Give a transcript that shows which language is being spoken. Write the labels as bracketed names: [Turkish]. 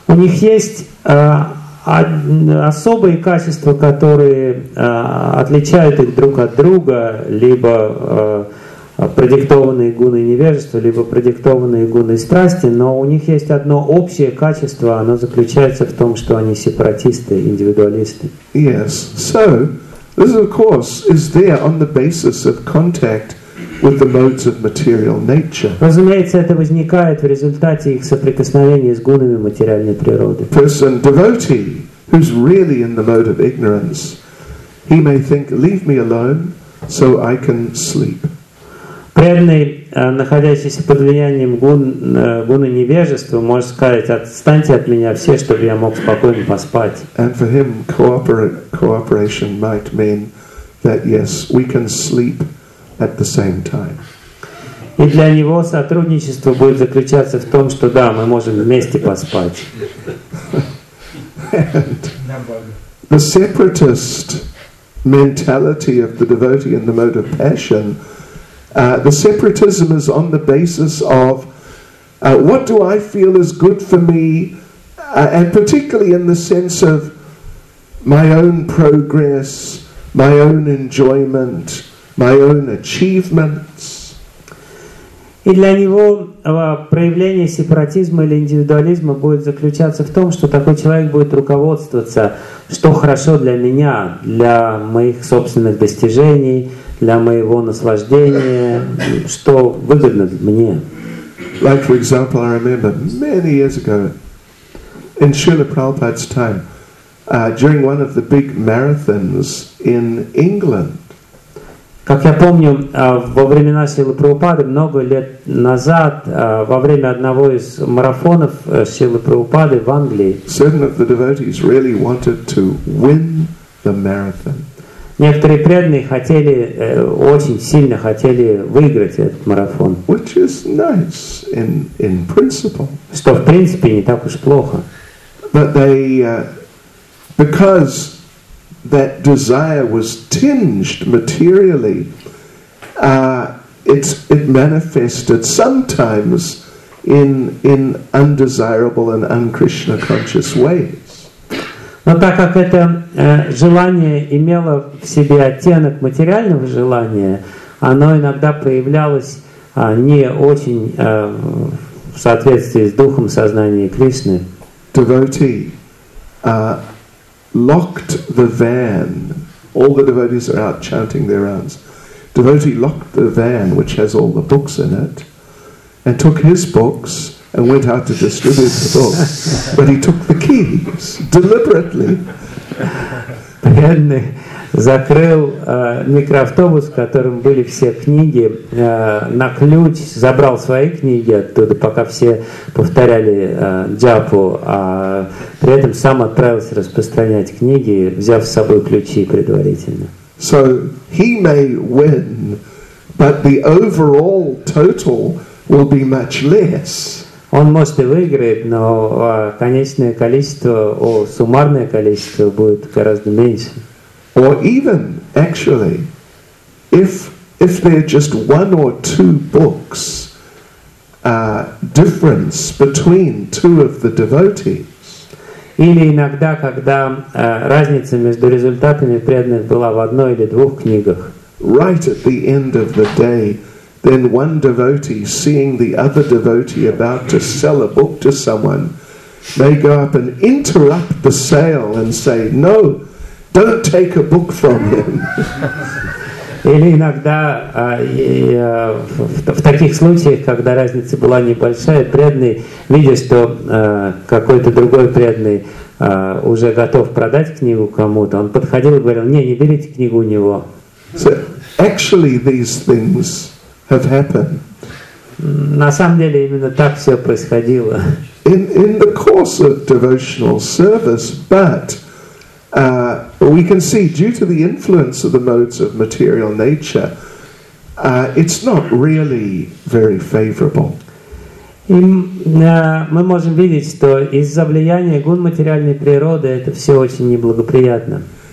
[Russian] У них есть особые качества, которые отличают их друг от друга, либо продиктованные гуны невежества, либо продиктованные гуны страсти, но у них есть одно общее качество, оно заключается в том, что они сепаратисты, индивидуалисты. [English] Yes. So, this of course is there on the basis of contact with the modes of material nature. [Russian] Разумеется, это возникает в результате их соприкосновения с гунами материальной природы. [English] Person, devotee, who's really in the mode of ignorance, he may think, leave me alone so I can sleep. [Russian] Преданный, находящийся под влиянием гуны невежества, может сказать, отстаньте от меня все, чтобы я мог спокойно поспать. [English] And for him, cooperation might mean that, yes, we can sleep at the same time. [Russian] И для него сотрудничество будет заключаться в том, что да, мы можем вместе поспать. [English] The separatist mentality of the devotee and the mode of passion, the separatism is on the basis of what do I feel is good for me, and particularly in the sense of my own progress, my own enjoyment, my own achievements. [Russian] И для него проявление сепаратизма или индивидуализма будет заключаться в том, что такой человек будет руководствоваться, что хорошо для меня, для моих собственных достижений, для моего наслаждения, что выгодно мне. [English] Like, for example, I remember many years ago, in Srila Prabhupada's time, during one of the big marathons in England, [Russian] как я помню, во времена Силы Прабхупады, много лет назад, во время одного из марафонов Силы Прабхупады в Англии, [English] certain of the devotees really wanted to win the marathon. [Russian] Некоторые преданные хотели, очень сильно хотели выиграть этот марафон. [English] Which is nice in principle. [Russian] Что в принципе не так уж плохо. [English] But they, because that desire was tinged materially, it manifested sometimes in undesirable and un-Krishna conscious ways. [Russian] Но так как это желание имело в себе оттенок материального желания, оно иногда проявлялось не очень в соответствии с духом сознания Кришны. [English] Devotee locked the van. All the devotees are out chanting their rounds. Devotee locked the van, which has all the books in it, and took his books and went out to distribute the books. But he took the keys deliberately. [Russian] Преданный закрыл микроавтобус, в котором были все книги, на ключ забрал свои книги оттуда, пока все повторяли джапу, а при этом сам отправился распространять книги, взяв с собой ключи предварительно. [English] So he may win, but the overall total will be much less. [Russian] Он может и выиграть, но конечное количество, суммарное количество будет гораздо меньше. [English] Or even, actually, if there are just one or two books difference between two of the devotees. [Russian] Или иногда, когда разница между результатами преданных была в одной или двух книгах. [English] Right at the end of the day, then one devotee, seeing the other devotee about to sell a book to someone, may go up and interrupt the sale and say, "No, don't take a book from him." [Russian] Или иногда в таких случаях, когда разница была небольшая, преданный, видя, что какой-то другой преданный уже готов продать книгу кому-то, он подходил и говорил, "Не, не берите книгу у него." [English] So, actually, these things have happened. [Russian] На самом деле именно так все происходило. [English] In the course of devotional service, but we can see due to the influence of the modes of material nature, it's not really very favorable. И мы можем видеть, что из-за влияния гун материальной природы это все очень неблагоприятно.